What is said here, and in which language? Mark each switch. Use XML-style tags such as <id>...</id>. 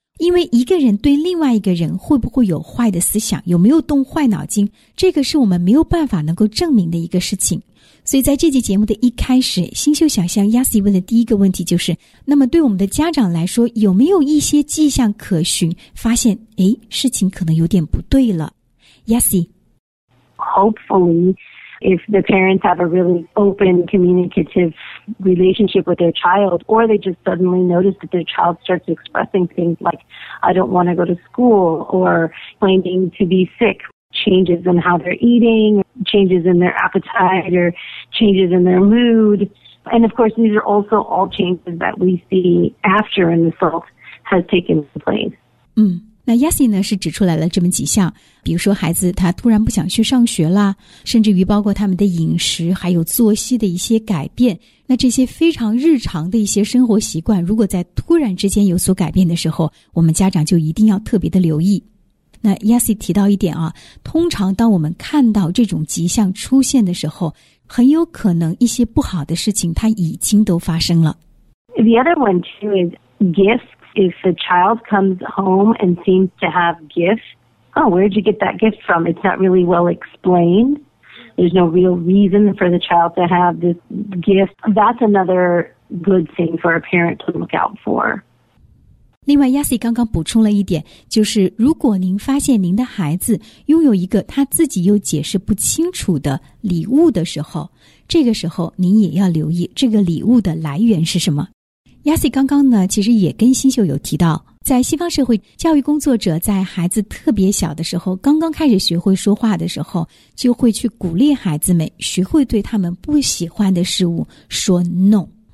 <zh>因为一个人对另外一个人会不会有坏的思想，有没有动坏脑筋，这个是我们没有办法能够证明的一个事情。所以在这期节目的一开始，新秀想向 Yasi 问的第一个问题就是，那么对我们的家长来说，有没有一些迹象可循，发现诶事情可能有点不对了？ Yasi，</zh> <en>Hopefully if the parents have a really open communicative relationship with their child, or they just suddenly notice that their child starts expressing things like I don't want to go to school, or claiming to be sickchanges in how they're eating, changes in their appetite, or changes in their mood. And of course, these are also all changes that we see after an assault has taken place.</en> <zh>嗯，那 Yasi 呢是指出来了这么几项，比如说孩子他突然不想去上学啦，甚至于包括他们的饮食还有作息的一些改变，那这些非常日常的一些生活习惯，如果在突然之间有所改变的时候，我们家长就一定要特别的留意。那 Yasi 提到一点啊，通常当我们看到这种迹象出现的时候，很有可能一些不好的事情它已经都发生了。</zh> <en>The other one too is gifts. If the child comes home and seems to have gifts, oh, where did you get that gift from? It's not really well explained. There's no real reason for the child to have this gift. That's another good thing for a parent to look out for.</en> <zh>另外 Yasi 刚刚补充了一点，就是如果您发现您的孩子拥有一个他自己又解释不清楚的礼物的时候，这个时候您也要留意这个礼物的来源是什么。 Yasi 刚刚呢其实也跟新秀有提到，在西方社会，教育工作者在孩子特别小的时候，刚刚开始学会说话的时候，就会去鼓励孩子们学会对他们不喜欢的事物说 no。</zh>